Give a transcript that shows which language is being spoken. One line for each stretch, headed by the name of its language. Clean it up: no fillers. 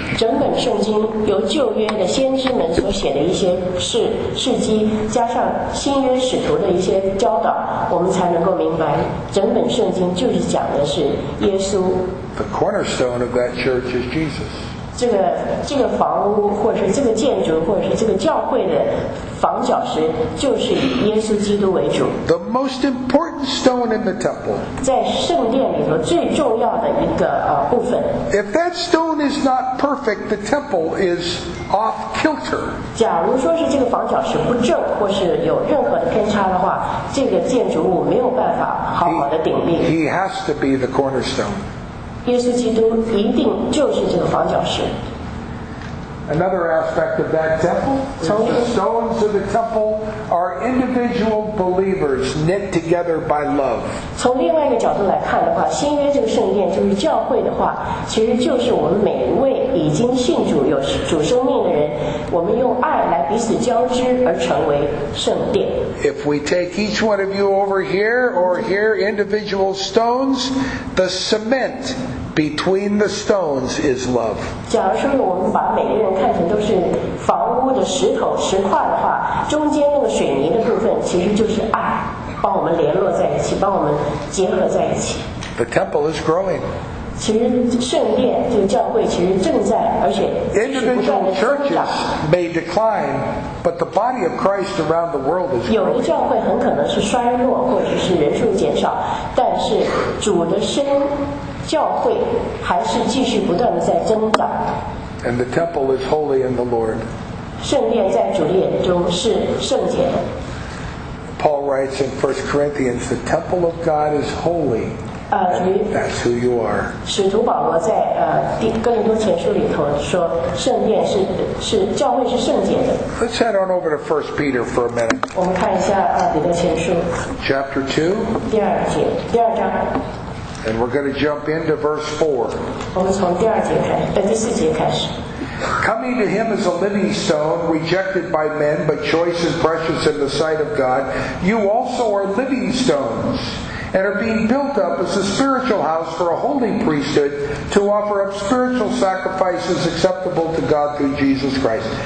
Chinese: 整本圣经由旧约的先知们所写的一些事迹，加上新约使徒的一些教导，我们才能够明白，整本圣经就是讲的是耶稣。
English: The cornerstone of that church is Jesus.
Chinese: 这个房屋或者是这个建筑或者是这个教会的房角石就是以耶稣基督为主。
English: The most important stone in the temple.
Chinese: 在圣殿里头最重要的一个部分。
English: If that stone is not perfect, the temple is off kilter.
Chinese: 假如说是这个房角石不正或是有任何的偏差的话，这个建筑物没有办法好好的顶立。
English: He has to be the cornerstone.
Chinese: 耶稣基督一定就是这个房角石。
English: Another aspect of that temple is the stones of the temple are individual believers knit together by love.
Chinese: 从另外一个角度来看的话，新约这个圣殿就是教会的话，其实就是我们每一位已经信主有主生命的人，我们用爱来彼此交织而成为圣殿。
English: If we take each one of you over here or here individual stones, the cement. Between the stones is love.
Chinese: 假如说我们把每个人看成都是房屋的石头石块的话，中间那个水泥的部分其实就是爱，帮我们联络在一起，帮我们结合在一起。
English: The temple is growing.
Chinese: 其实圣殿这个教会其实正在，而且是不断的增长。
English: Individual churches may decline, but the body of Christ around the world is growing.
Chinese: 有的教会很可能是衰落，或者是人数减少，但是主的身。教会还是继续不断的在增长。
English: And the temple is holy in the Lord.
Chinese: 圣殿在主的眼中是圣洁的。
English: Paul writes in 1 Corinthians, the temple of God is holy. That's who you are.
Chinese: 使徒保罗在哥林多前书里头说，圣殿是教会是圣洁的。
English: Let's head on over to 1 Peter for a minute.
Chinese: 我们看一下彼得前书。
English: Chapter 2.
Chinese: 第二节，第二章。
English: And we're going to jump into verse 4.
Chinese: 我们从第二节开始，第四节开始。
English: Coming to him as a living stone, rejected by men, but choice and precious in the sight of God, you also are living stones, and are being built up as a spiritual house for a holy priesthood to offer up spiritual sacrifices acceptable to God through Jesus Christ.